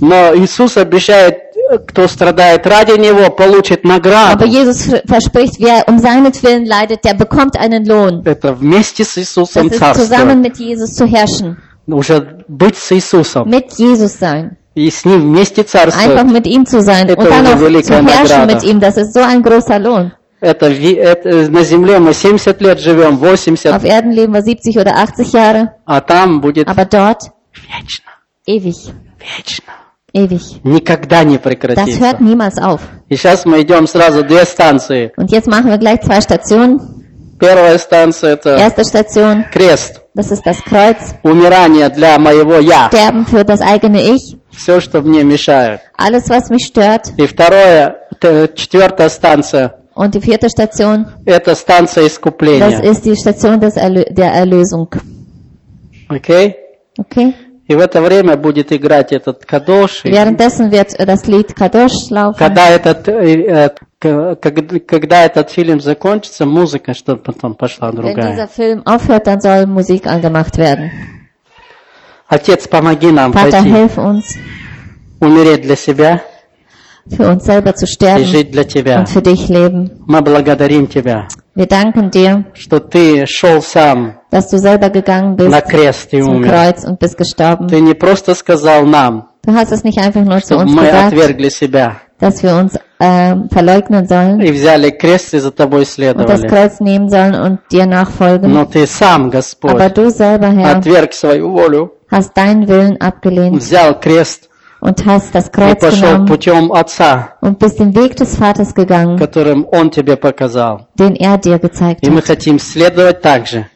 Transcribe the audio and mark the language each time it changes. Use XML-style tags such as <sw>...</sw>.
<ru>Но Иисус обещает, кто страдает ради него, получит награду.</ru> <de>Aber Jesus verspricht, wer um seinetwillen leidet, der bekommt einen Lohn.</de> <ru>Это вместе с Иисусом царствовать.</ru> <de>Das ist zusammen mit Jesus zu herrschen.</de> <ru>Уже быть с Иисусом.</ru> <de>Mit Jesus sein.</de> <ru>И с ним вместе царствовать.</ru> <de>Einfach mit ihm zu sein.</de> <ru>Это уже великая награда.</ru> <de>Und dann auch zu herrschen mit ihm, das ist so ein großer Lohn.</de> <ru>Это на земле мы 70 лет живем, 80.</ru> <de>Auf Erden leben wir 70 oder 80 Jahre.</de> <ru>А там будет.</ru> <de>Aber dort.</de> <ru>Вечно.</ru> <de>Ewig.</de> <ru>Вечно.</ru> <de>Ewig.</de> <ru>Никогда не прекратится.</ru> <de>Das hört niemals auf.</de> <ru>И сейчас мы идем сразу две станции.</ru> <de>Und jetzt machen wir gleich zwei Stationen.</de> <ru>Первая станция это.</ru> <de>Erste Station.</de> <ru>Крест.</ru> <de>Das ist das Kreuz.</de> <ru>Умирание для моего я.</ru> <de>Sterben für das eigene ich.</de> <ru>Все, что мне мешает.</ru> <de>Alles, was mich stört.</de> <ru>И второе, четвертая станция.</ru> <de>Und die vierte Station.</de> <ru>Это станция искупления.</ru> <de>Das ist die Station der Erlösung.</de> <en>Okay. Okay.</en> <ru>И в это время будет играть этот Кадош.</ru> <de>Währenddessen wird das Lied Kadosh laufen.</de> <ru>Когда этот фильм закончится, музыка, чтобы потом пошла другая.</ru> <de>Wenn dieser Film aufhört, dann soll Musik angemacht werden.</de> <ru>Отец, помоги нам</ru> <de>Vater,</de> <ru>пойти.</ru> <de>Vater, hilf uns.</de> <ru>Умереть для себя.</ru> <de>Für uns selber zu sterben.</de> <ru>И жить для тебя.</ru> <de>Und für dich leben.</de> <ru>Мы благодарим тебя.</ru> <de>Wir danken dir,</de> <ru>что ты шел сам,</ru> <de>dass du selber gegangen bist,</de> <ru>на крест и</ru> <de>zum</de> <ru>умер.</ru> <de>Kreuz und bist gestorben.</de> <ru>Ты не просто сказал нам,</ru> <de>du hast es nicht einfach nur zu uns</de> <ru>мы</ru> <de>gesagt,</de> <ru>отвергли себя,</ru> <de>dass wir uns verleugnen sollen,</de> <ru>и взяли крест и за тобой следовали,</ru> <de>und das Kreuz nehmen sollen und dir nachfolgen.</de> <ru>Но ты сам, Господь,</ru> <de>aber du selber, Herr,</de> <ru>отверг свою волю,</ru> <de>hast deinen Willen abgelehnt,</de> <ru>взял крест,</ru> <de>und hast das Kreuz genommen</de> <ru>путем Отца,</ru> <de>und bist den Weg des Vaters gegangen,</de> <ru>которым он тебе показал,</ru> <de>den er dir gezeigt hat. И мы хотим следовать так же.</de>